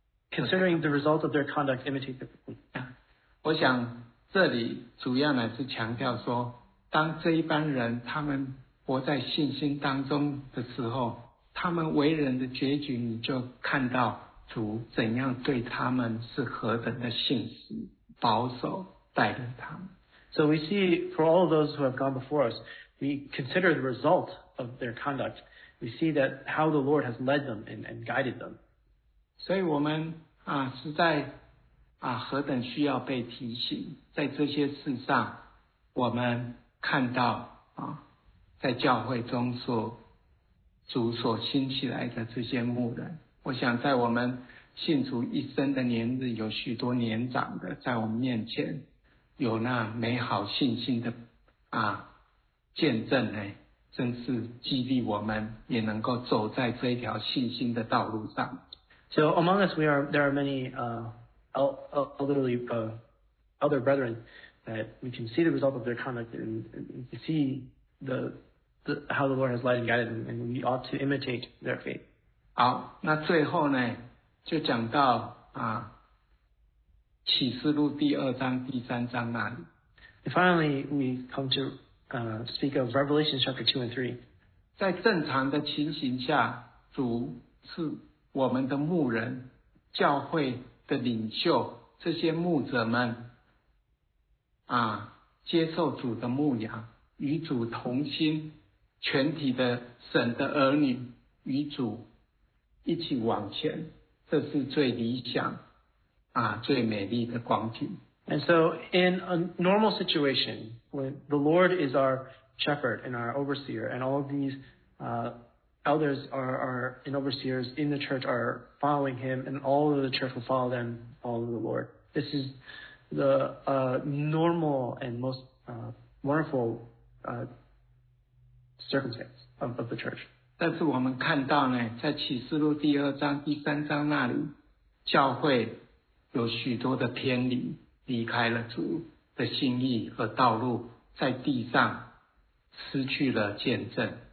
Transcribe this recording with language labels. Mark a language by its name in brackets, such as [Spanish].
[English] Considering the result of their conduct, imitate the people. [Chinese] 我想这里主要乃是强调说，当这一般人他们活在信心当中的时候，他们为人的结局，你就看到主怎样对他们是何等的信实，保守带领他们。 [English] So we see for all of those who have gone before us, we consider the result of their conduct. We see that how the Lord has led them and guided them. [Chinese] 所以我们啊实在啊何等需要被提醒，在这些事上，我们看到啊在教会中所主所兴起来的这些牧人，我想在我们信主一生的年日，有许多年长的在我们面前有那美好信心的啊见证呢，真是激励我们也能够走在这一条信心的道路上。 [English] So among us, there are many elderly other brethren that we can see the result of their conduct and see the how the Lord has led and guided them, and we ought to imitate their faith. [Chinese] 好，那最后呢，就讲到啊，启示录第二章第三章那里。 [English] And finally, we come to. Speak of Revelation chapter 2 and 3. [Chinese] 在正常的情形下，主是我们的牧人，教会的领袖，这些牧者们啊，接受主的牧养，与主同心，全体的神的儿女与主一起往前，这是最理想最美丽的光景。 [English] And so in a normal situation, when the Lord is our shepherd and our overseer, and all of these elders are and overseers in the church are following him, and all of the church will follow them, follow the Lord. This is the normal and most wonderful circumstance of the church. [Chinese] 但是我们看到呢，在启示录第二章、第三章那里，教会有许多的偏离。离开了主的心意和道路，在地上失去了见证。